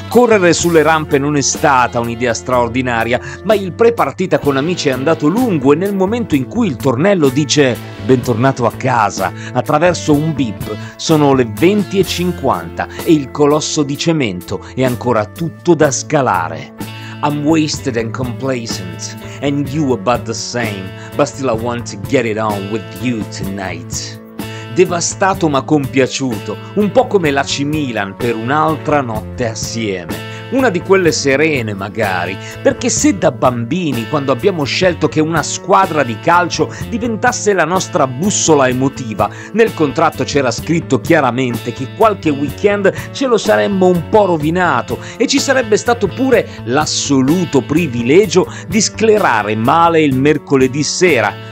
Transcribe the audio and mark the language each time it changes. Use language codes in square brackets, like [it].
[it] Correre sulle rampe non è stata un'idea straordinaria, ma il pre-partita con amici è andato lungo e nel momento in cui il tornello dice «Bentornato a casa», attraverso un bip, sono le 20:50 e il colosso di cemento è ancora tutto da scalare. [en] I'm wasted and complacent, and you about the same, but still I want to get it on with you tonight. [it] Devastato ma compiaciuto, un po' come l'AC Milan per un'altra notte assieme. Una di quelle serene, magari, perché se da bambini, quando abbiamo scelto che una squadra di calcio diventasse la nostra bussola emotiva, nel contratto c'era scritto chiaramente che qualche weekend ce lo saremmo un po' rovinato e ci sarebbe stato pure l'assoluto privilegio di sclerare male il mercoledì sera.